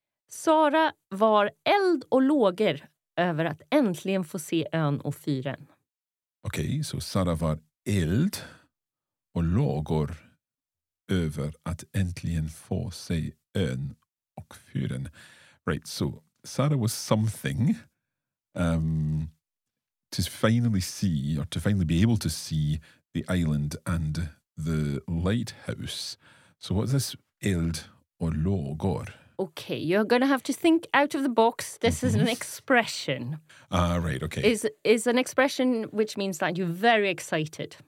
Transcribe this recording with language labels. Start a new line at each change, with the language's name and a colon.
Swedish: Sara var eld och låger över att äntligen få se ön och fyren. Okej, okay, så Sara var eld och lågor över att äntligen få se ön och fyren.
English: Right, so Sara was something to finally see, or to finally be able to see the island and the lighthouse. So what's this eld och lågor? Okay, you're going to have to think out of the box. This is an expression. Ah, right, okay. Is an expression which means that you're very excited.